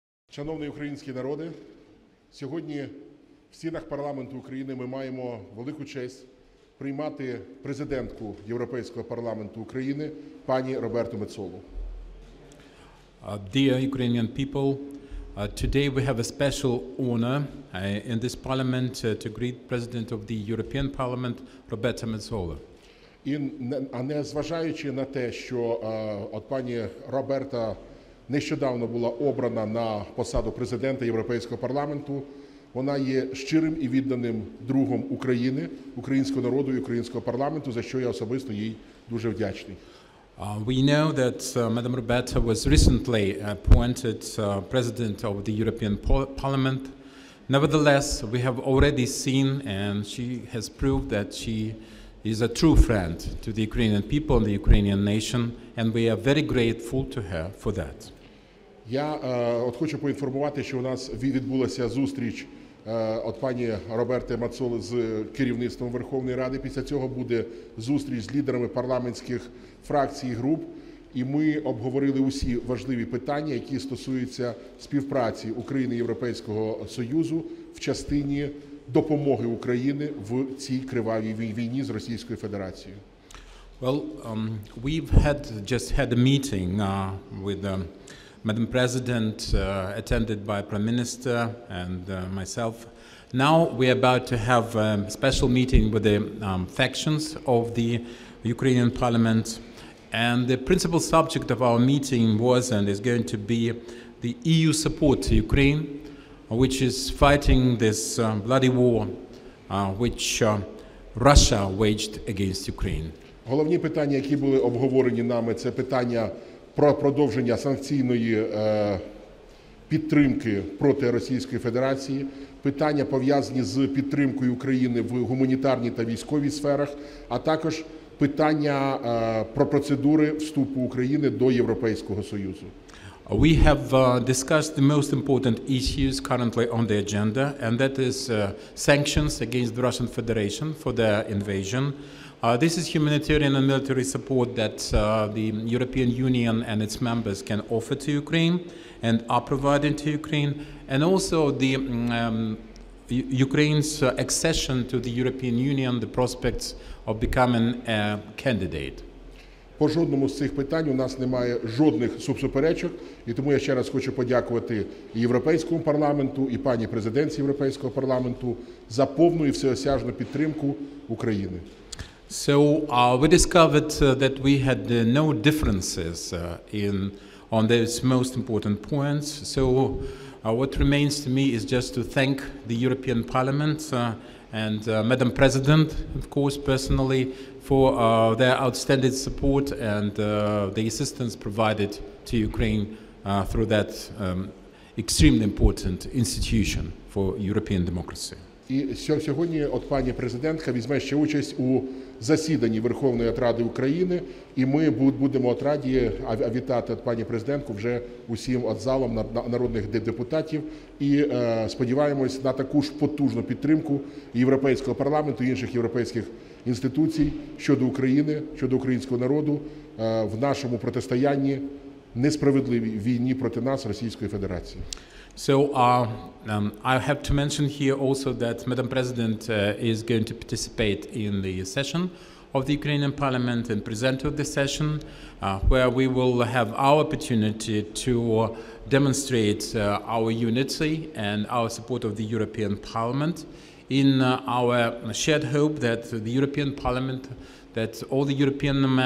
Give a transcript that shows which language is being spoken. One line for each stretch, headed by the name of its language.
Ukrainian: Шановний український народе, сьогодні в стінах парламенту України ми маємо велику честь приймати президентку Європейського парламенту України пані Роберту Метсолу.
English: Dear Ukrainian people, today we have a special honor in this parliament to greet President of the European Parliament Roberta Metsola.
Ukrainian: А не зважаючи на те, що от пані Роберта нещодавно була обрана на посаду президента Європейського парламенту, вона є щирим і відданим другом України, українського народу і українського парламенту, за що я особисто їй дуже вдячний.
English: We know that Madam Roberta was recently appointed president of the European Parliament. Nevertheless, we have already seen and she has proved that she is a true friend to the Ukrainian people and the Ukrainian nation, and we are very grateful to her for that.
Ukrainian: Я от хочу поінформувати, що у нас відбулася зустріч от пані Роберти Мацоли з керівництвом Верховної Ради. Після цього буде зустріч з лідерами парламентських фракцій і груп. І ми обговорили усі важливі питання, які стосуються співпраці України і Європейського Союзу в частині допомоги Україні в цій кривавій війні з Російською Федерацією.
English: Well, we've had a meeting with Madam President, attended by Prime Minister and myself. Now we are about to have a special meeting with the factions of the Ukrainian Parliament. And the principal subject of our meeting was and is going to be the EU support to Ukraine, which is fighting this bloody war which Russia waged against Ukraine.
Ukrainian: Головні питання, які були обговорені нами, це питання про продовження санкційної підтримки проти Російської Федерації, питання, пов'язані з підтримкою України в гуманітарній та військовій сферах, а також питання про процедури вступу України до Європейського Союзу.
English: We have discussed the most important issues currently on the agenda, and that is sanctions against the Russian Federation for their invasion. This is humanitarian and military support that the European Union and its members can offer to Ukraine and are providing to Ukraine, and also the Ukraine's accession to the European Union, the prospects of becoming a candidate.
Ukrainian: По жодному з цих питань у нас немає жодних суперечок, і тому я ще раз хочу подякувати і Європейському парламенту, і пані президентці Європейського парламенту за повну і всеосяжну підтримку України.
English: So we discovered that we had no differences on those most important points. So what remains to me is just to thank the European Parliament and Madam President, of course, personally, for their outstanding support and the assistance provided to Ukraine through that extremely important institution for European democracy.
Ukrainian: І сьогодні от пані президентка візьме ще участь у засіданні Верховної Ради України, і ми будемо от раді вітати от пані президентку вже усім от залом народних депутатів, і сподіваємось на таку ж потужну підтримку Європейського парламенту і інших європейських інституцій щодо України, щодо українського народу в нашому протистоянні несправедливій війні проти нас Російської Федерації.
English: So I have to mention here also that Madam President is going to participate in the session of the Ukrainian Parliament and present of the session, where we will have our opportunity to demonstrate our unity and our support of the European Parliament in our shared hope that the European Parliament, that all the European